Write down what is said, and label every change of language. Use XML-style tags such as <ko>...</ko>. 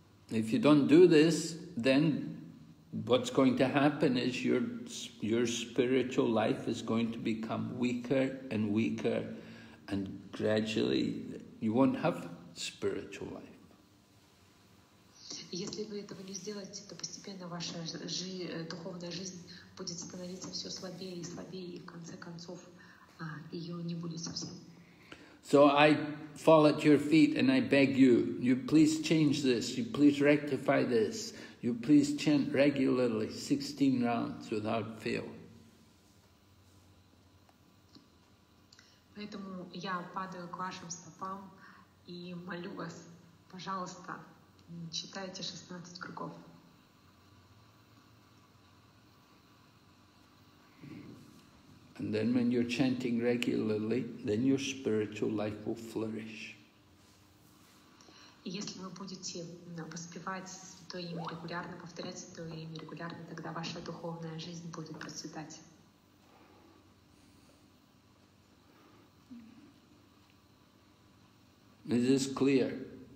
<en>If you don't do this, then what's going to happen is your spiritual life is going to become weaker and weaker, and gradually you won't have spiritual life.</en> <ru>Если вы этого не сделаете, то постепенно ваша духовная жизнь будет становиться все слабее и слабее, и в конце концов ее не будет совсем.</ru> <en>So I fall at your feet and I beg you, you please change this, you please rectify this. You please chant regularly 16 rounds without fail.</en> <ru>Поэтому я падаю к вашим стопам и молю вас, пожалуйста, читайте 16 кругов.</ru> <en>And then when you're chanting regularly, then your spiritual life will flourish.</en> <ru>Если вы будете воспевать Святое имя регулярно, повторять Святое имя регулярно, тогда ваша духовная жизнь будет процветать.</ru> <en>Is this clear?</en>